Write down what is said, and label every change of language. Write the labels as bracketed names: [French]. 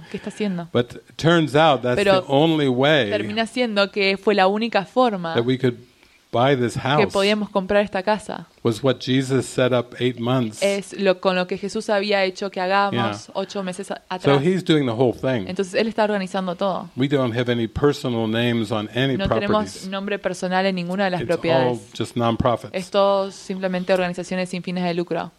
[Spanish] ¿Qué está haciendo? [English] But turns out that's [Spanish] pero [English] the only way [Spanish] termina siendo que fue la única forma [English] that we could buy this house [Spanish] que podíamos comprar esta casa [English] was what Jesus set up 8 months. [Spanish] Es lo con lo que Jesús había hecho que hagamos 8 meses atrás. [English] So he's doing the whole thing. [Spanish] Entonces él está organizando todo. [English] We don't have any personal names on any [Spanish] no [English] properties. [Spanish] Tenemos nombre personal en ninguna de las [English] it's [Spanish] propiedades. [English] All just non-profits. [Spanish] Es todo simplemente organizaciones sin fines de lucro.